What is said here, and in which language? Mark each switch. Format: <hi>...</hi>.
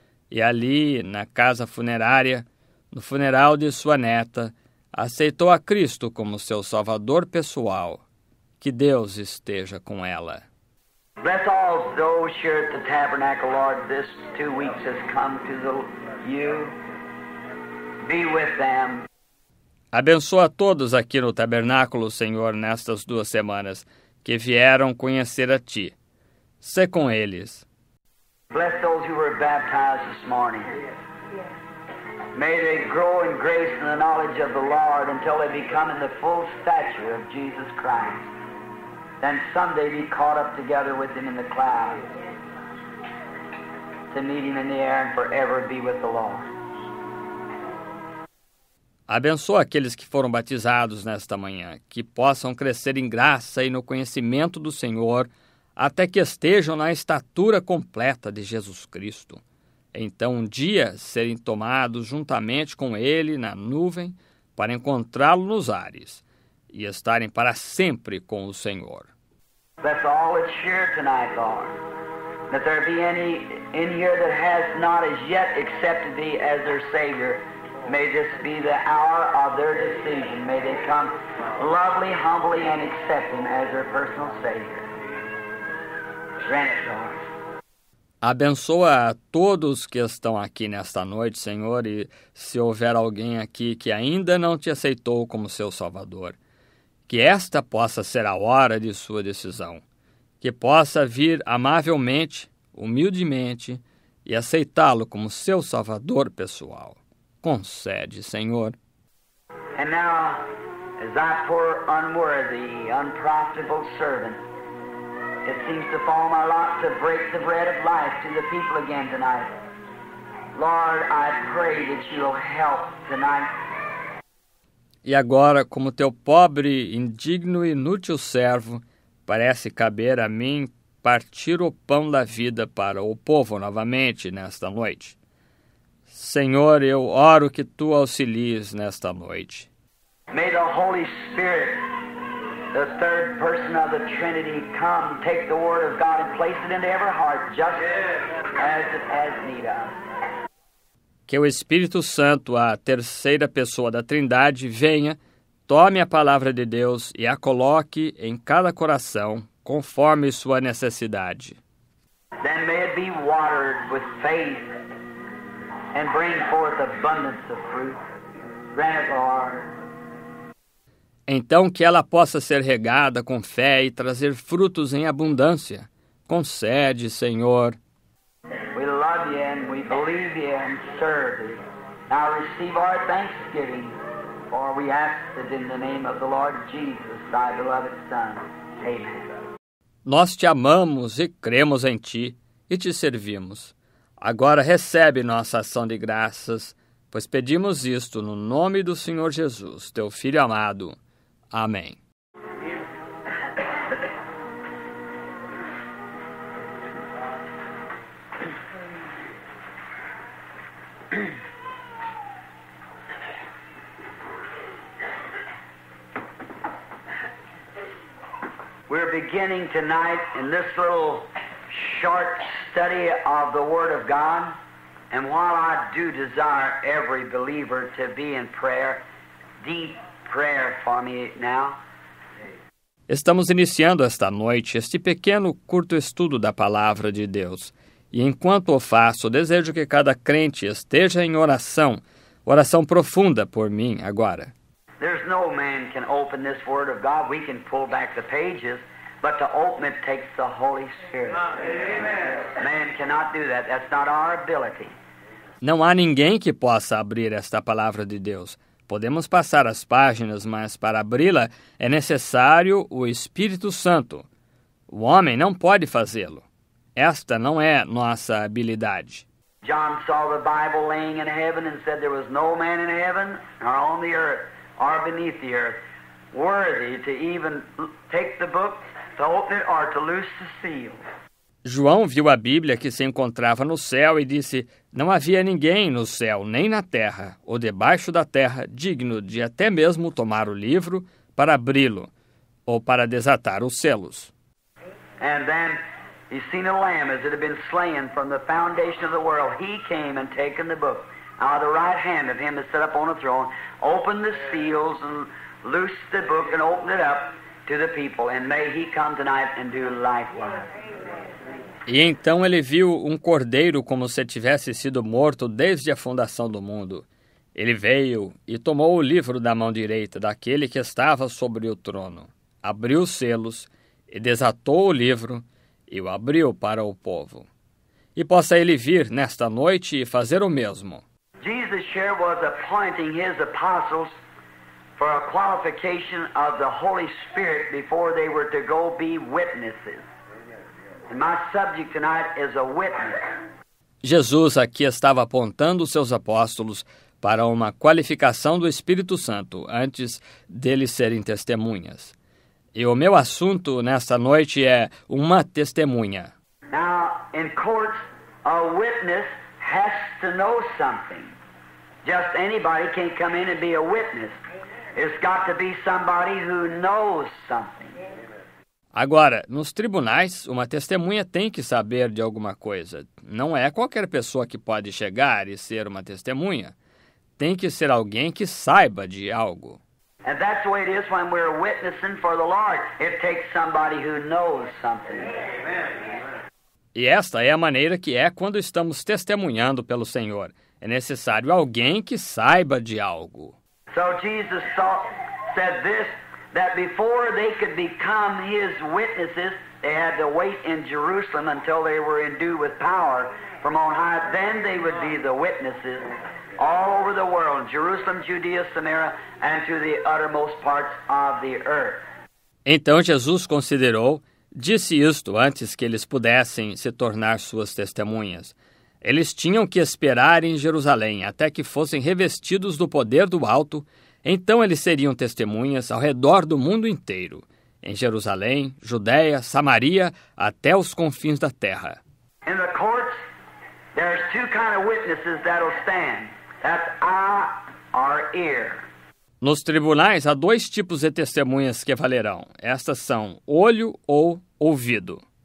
<pt>E ali, na casa funerária, no funeral de sua neta, aceitou a Cristo como seu Salvador pessoal. Que Deus esteja com ela.</pt> <en>Bless all those here at the tabernacle, Lord, this 2 weeks has come to the you. Be with them.</en> <pt>Abençoa todos aqui no tabernáculo, Senhor, nestas 2 semanas que vieram conhecer a Ti. Sê com eles.</pt> <en>Bless those who were baptized this morning. May they grow in grace and the knowledge of the Lord until they become in the full stature of Jesus Christ. Then someday be caught up together with Him in the clouds to meet Him in the air and forever be with the Lord.</en> <pt>Abençoa aqueles que foram batizados nesta manhã, que possam crescer em graça e no conhecimento do Senhor, até que estejam na estatura completa de Jesus Cristo. Então, um dia, serem tomados juntamente com Ele na nuvem para encontrá-Lo nos ares e estarem para sempre com o Senhor.</pt> <en>That's all that's here tonight, Lord. that there be any in here that has not as yet accepted thee as their Savior. May this be the hour of their decision. May they come lovely, humbly, and accept him as their personal Savior. Grant it, Lord.</en> <pt>Abençoa a todos que estão aqui nesta noite, Senhor, e se houver alguém aqui que ainda não te aceitou como seu Salvador, que esta possa ser a hora de sua decisão, que possa vir amavelmente, humildemente e aceitá-lo como seu Salvador pessoal. Concede, Senhor. E agora, como esse pobre,</pt> <en>unworthy, unprofitable servant, it seems to fall my lot to break the bread of life to the people again tonight. Lord, I pray that you'll help tonight.</en> <pt>E agora, como teu pobre, indigno e inútil servo, parece caber a mim partir o pão da vida para o povo novamente nesta noite. Senhor, eu oro que tu auxilies nesta noite.</pt> <en>May the Holy Spirit, the third person of the Trinity, come take the word of God and place it into every heart, just as it has need of.</en> <pt>Que o Espírito Santo, a terceira pessoa da Trindade, venha, tome a palavra de Deus e a coloque em cada coração, conforme sua necessidade.</pt> <en>Then may it be watered with faith and bring forth abundance of fruit. Grant it, Lord.</en> <pt>Então que ela possa ser regada com fé e trazer frutos em abundância. Concede, Senhor.</pt> <en>We love you and we believe you and serve you. Now receive our thanksgiving, for we ask it in the name of the Lord Jesus, thy beloved Son. Amen.</en> <pt>Nós te amamos e cremos em ti e te servimos. Agora recebe nossa ação de graças, pois pedimos isto no nome do Senhor Jesus, teu Filho amado. Amém.</pt> <en>We're beginning tonight in this little short study of the Word of God, and while I do desire every believer to be in prayer, deep prayer for me now.</en> <pt>Estamos iniciando esta noite este pequeno curto estudo da Palavra de Deus. E enquanto o faço, desejo que cada crente esteja em oração, oração profunda por mim agora.</pt> <en>There's no man can open this Word of God. We can pull back the pages, but to open it takes the Holy Spirit. Amen. Man cannot do that. That's not our ability.</en> <pt>Não há ninguém que possa abrir esta Palavra de Deus. Podemos passar as páginas, mas para abri-la é necessário o Espírito Santo. O homem não pode fazê-lo. Esta não é nossa habilidade.</pt> <en>John saw the Bible laying in heaven and said there was no man in heaven or on the earth or beneath the earth worthy to even take the book, to open it or to loose the seal.</en> <pt>João viu a Bíblia que se encontrava no céu e disse: não havia ninguém no céu, nem na terra, ou debaixo da terra, digno de até mesmo tomar o livro para abri-lo, ou para desatar os selos.</pt> <en>And then he seen a lamb as it had been slain from the foundation of the world. He came and taken the book out of the right hand of him that sat upon the throne, opened the seals and loosed the book and opened it up to the people. And may he come tonight and do likewise.</en> <pt>E então ele viu um cordeiro como se tivesse sido morto desde a fundação do mundo. Ele veio e tomou o livro da mão direita daquele que estava sobre o trono, abriu os selos e desatou o livro e o abriu para o povo. E possa ele vir nesta noite e fazer o mesmo.</pt> <en>Jesus sure was appointing his apostles for a qualification of the Holy Spirit before they were to go be witnesses. And my subject tonight is a witness.</en> <pt>Jesus aqui estava apontando os seus apóstolos para uma qualificação do Espírito Santo antes deles serem testemunhas. E o meu assunto nesta noite é uma testemunha.</pt> <en>Now, in courts, a witness has to know something. Just anybody can't come in and be a witness. It's got to be somebody who knows something.</en> <pt>Agora, nos tribunais, uma testemunha tem que saber de alguma coisa. Não é qualquer pessoa que pode chegar e ser uma testemunha. Tem que ser alguém que saiba de algo.</pt> <en>And that's the way it is when we're witnessing for the Lord. It takes somebody who knows something.</en> <pt>E esta é a maneira que é quando estamos testemunhando pelo Senhor. É necessário alguém que saiba de algo.</pt> <en>So Jesus thought, said this, that before they could become his witnesses, they had to wait in Jerusalem until they were endued with power from on high. Then they would be the witnesses all over the world, Jerusalem, Judea, Samaria, and to the uttermost parts of the earth.</en> <pt>Então Jesus considerou, disse isto antes que eles pudessem se tornar suas testemunhas. Eles tinham que esperar em Jerusalém até que fossem revestidos do poder do alto. Então eles seriam testemunhas ao redor do mundo inteiro, em Jerusalém, Judeia, Samaria, até os confins da terra.</pt> <en>In the courts, there's two kind of witnesses that'll stand. That's eye or ear.</en> <pt>Nos tribunais, há dois tipos de testemunhas que valerão. Estas são olho ou ouvido.</pt>